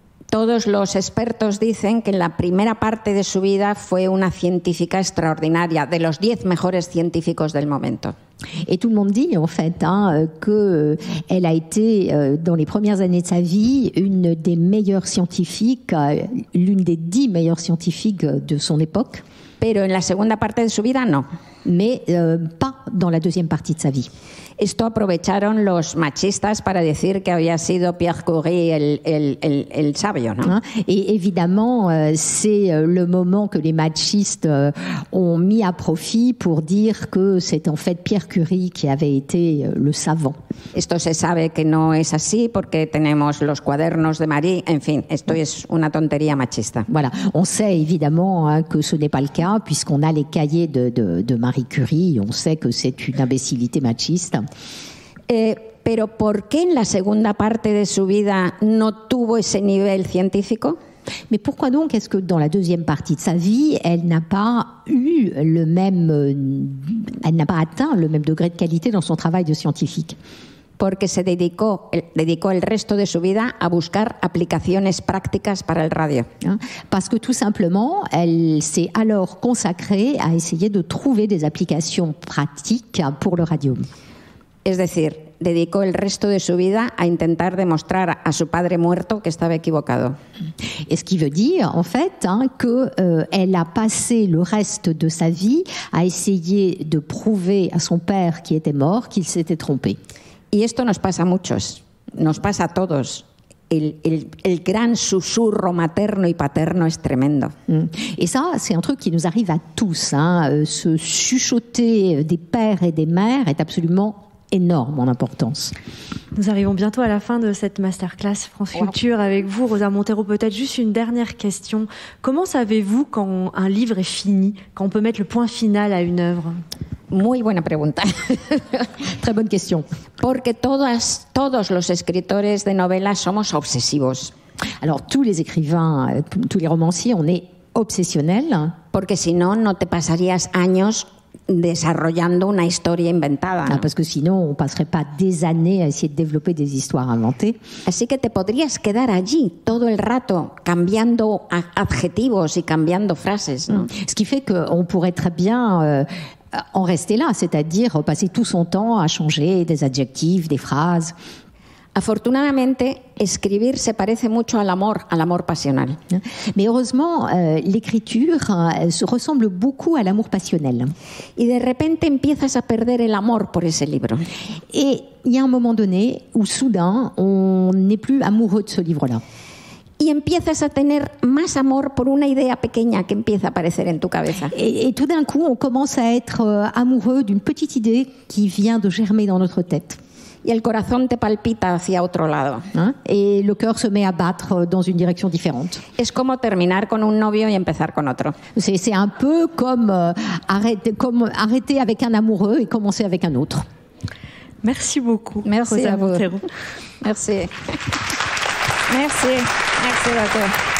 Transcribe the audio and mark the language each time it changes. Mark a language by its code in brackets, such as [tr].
[es] Todos los expertos dicen que la primera parte de su vida fue una científica extraordinaria, de los 10 mejores científicos del momento. [fr] Et tout le monde dit, en fait, hein, qu'elle a été, dans les premières années de sa vie, une des meilleures scientifiques, l'une des 10 meilleures scientifiques de son époque. [es] Pero en la segunda parte de su vida, no. [fr] Mais pas dans la deuxième partie de sa vie. [es] Esto aprovecharon los machistas para decir que había sido Pierre Curie el sabio, ¿no? [fr] Et évidemment, c'est le moment que les machistes ont mis à profit pour dire que c'est en fait Pierre Curie qui avait été le savant. [es] Esto se sabe que no es así porque tenemos los cuadernos de Marie. En fin, esto es una tontería machista. [fr] Voilà, on sait évidemment que ce n'est pas le cas puisqu'on a les cahiers de Marie Curie. On sait que c'est une imbécilité machiste. [es] Pero ¿por qué en la segunda parte de su vida no tuvo ese nivel científico? [fr] Mais pourquoi donc est-ce que dans la deuxième partie de sa vie, elle n'a pas eu le même, elle n'a pas atteint le même degré de qualité dans son travail de scientifique? [es] Porque se dedicó el resto de su vida a buscar aplicaciones prácticas para el radio. [fr] Parce que tout simplement, elle s'est alors consacrée à essayer de trouver des applications pratiques pour le radio. [es] Es decir, dedicó el resto de su vida a intentar demostrar a su padre muerto que estaba equivocado. [fr] Et ce qui veut dire, en fait, hein, que elle a passé le reste de sa vie à essayer de prouver à son père qui était mort qu'il s'était trompé. [es] Y esto nos pasa a muchos, nos pasa a todos. El gran susurro materno y paterno es tremendo. [fr] Et ça, c'est un truc qui nous arrive à tous. Hein. Ce chuchoter des pères et des mères est absolument énorme en importance. Nous arrivons bientôt à la fin de cette masterclass France Culture avec vous, Rosa Montero. Peut-être juste une dernière question. Comment savez-vous quand un livre est fini, quand on peut mettre le point final à une œuvre? [es] Muy buena pregunta. [fr] Très bonne question. [es] Porque todos los escritores de novelas somos obsesivos. [fr] Alors, tous les écrivains, tous les romanciers, on est obsessionnels. [es] Porque sinon, no te pasarías años desarrollando una historia inventada. [fr] Ah, parce que sinon, on passerait pas des années à essayer de développer des histoires inventées. [es] Así que te podrías quedar allí todo el rato cambiando adjetivos y cambiando frases. [fr] Ce qui fait qu'on pourrait très bien en rester là, c'est-à-dire passer tout son temps à changer des adjectifs, des phrases. [es] Afortunadamente, escribir se parece mucho al amor pasional. [fr] Mais heureusement, l'écriture ressemble beaucoup à l'amour passionnel. [es] Y de repente empiezas a perder el amor por ese libro. [fr] Et il y a un moment donné où soudain, on n'est plus amoureux de ce livre-là. [es] Y empiezas a tener más amor por una idea pequeña que empieza a aparecer en tu cabeza. [fr] Et tout d'un coup, on commence à être amoureux d'une petite idée qui vient de germer dans notre tête. [es] Y el corazón te palpita hacia otro lado. [fr] Et le cœur se met à battre dans une direction différente. [es] Es como terminar con un novio y empezar con otro. [fr] C'est un peu comme arrêter avec un amoureux et commencer avec un autre. Merci beaucoup. Merci à vous. Merci. Merci. Merci beaucoup.